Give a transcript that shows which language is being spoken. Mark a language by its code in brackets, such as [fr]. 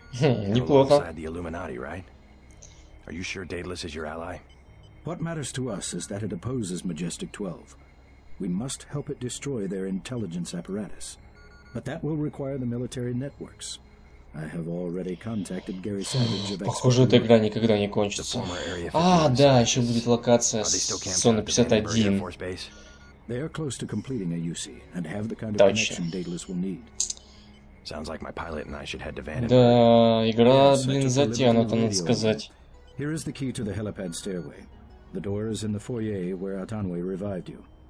[en] Alongside the Illuminati, right? Are you sure Daedalus is your ally? What matters to us is that it opposes Majestic 12. We must help it destroy their intelligence apparatus. But that will require the military networks. I have already contacted Gary Savage of X-Men. [ru] Похоже, эта игра никогда не кончится. А, да, еще будет локация Сона 51. [en] They are close to completing a UC and have the kind of connection Daedalus will need. Sounds like my pilot and I should head to Vandenberg. [ru] Да, игра, блин, затянута, надо сказать. [en] Here is the key to the helipad stairway. The door is in the foyer where Atanwe revived you.